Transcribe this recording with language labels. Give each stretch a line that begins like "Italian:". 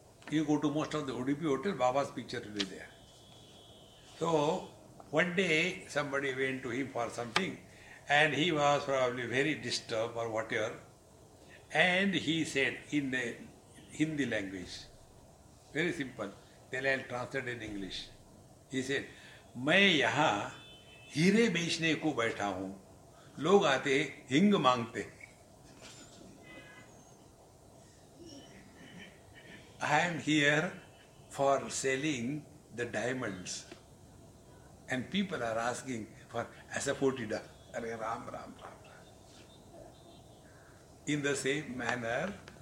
English: You go to most of the Udupi hotels, Baba's picture will be there. So, one day somebody went to him for something and he was probably very disturbed or whatever. And he said in the Hindi language, very simple, then I'll translate in English. He said,
Hindi: मैं यहाँ हीरे बेचने को बैठा हूँ, लोग आते हिंग मांगते.
English: I am here for selling the diamonds, and people are asking for asafoetida.
Hindi: अरे Ram Ram Ram.
English: In the same manner.